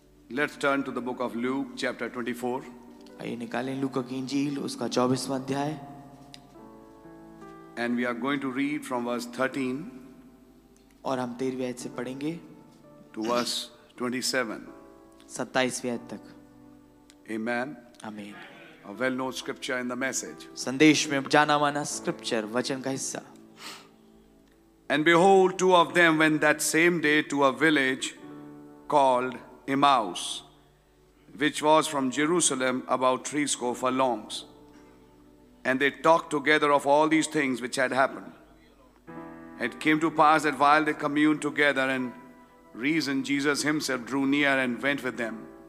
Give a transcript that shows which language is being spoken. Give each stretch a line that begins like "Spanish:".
English: Let's turn to the book of Luke, chapter 24.
Hindi: आइए निकालें लुका की इंजील उसका 24वां अध्याय.
English: And we are going to read from verse 13.
Hindi: और हम 13वें आयत से पढ़ेंगे.
English: To verse 27.
Hindi: 27वें आयत तक.
English: Amen. Amen. A well-known scripture in the message.
Hindi: संदेश में जाना-माना स्क्रिप्चर वचन का हिस्सा.
English: And behold, two of them went that same day to a village called Emmaus, which was from Jerusalem about 80 furlongs. And they talked together of all these things which had happened. It came to pass that while they communed together and reasoned, Jesus himself drew near and went with them.